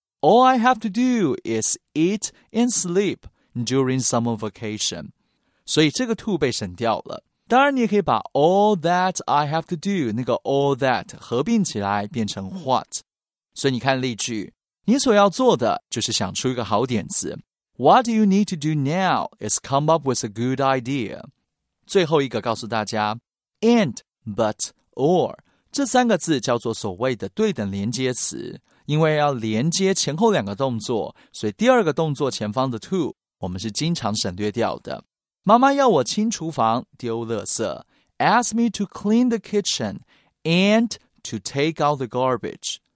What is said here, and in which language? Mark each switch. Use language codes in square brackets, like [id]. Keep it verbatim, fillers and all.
[en] All I have to do is eat and sleep during summer vacation. [zh] 所以这个 to 被省掉了。当然，你也可以把 [en] all that I have to do [zh] 那个 all that 合并起来变成 what。所以你看例句，你所要做的就是想出一个好点子。 [en] What you need to do now is come up with a good idea. [zh] 最后一个告诉大家 and, but, or 这三个字叫做所谓的对等连接词，因为要连接前后两个动作，所以第二个动作前方的 to 我们是经常省略掉的。妈妈要我清厨房丢垃圾 [en] asked me to clean the kitchen and to take out the garbage.